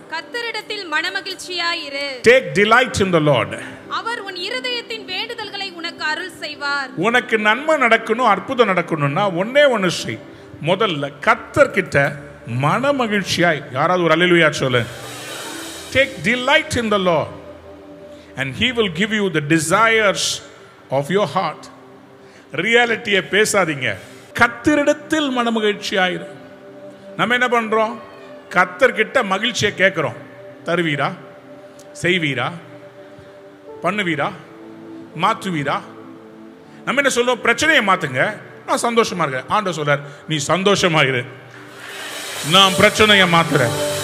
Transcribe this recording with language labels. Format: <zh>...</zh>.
<ta>கர்த்தரிடத்தில் மனமகிழ்ச்சியாய் இரு.</ta> <en>Take delight in the Lord.</en> <ta>அவர் உன் இருதயத்தின் வேண்டுதல்களை உனக்கு அருள் செய்வார். உனக்கு நன்மை நடக்கணும், அற்புதம் நடக்கணும்னா ஒன்னே ஒன்னு செய், முதல்ல கர்த்தர்கிட்ட மனமகிழ்ச்சியாய், யாராவது ஒரு அல்லேலூயா சொல்லு.</ta> <en>Take delight in the Lord and he will give you the desires of your heart.</en> <ta>ரியாலிட்டியை பேசாதீங்க, கர்த்தரிடத்தில் மனமகிழ்ச்சி ஆயிரும். நம்ம என்ன பண்றோம், கர்த்தர்கிட்ட மகிழ்ச்சியை கேட்குறோம், தருவீரா, செய்வீரா, பண்ணுவீரா, மாற்றுவீரா. நம்ம என்ன சொல்லுவோம், பிரச்சனையை மாத்துங்க, நான் சந்தோஷமா இருக்கிறேன். ஆண்டவர் சொல்றார், நீ சந்தோஷமாயிரு, நான் பிரச்சனையை மாத்துறேன்.</ta>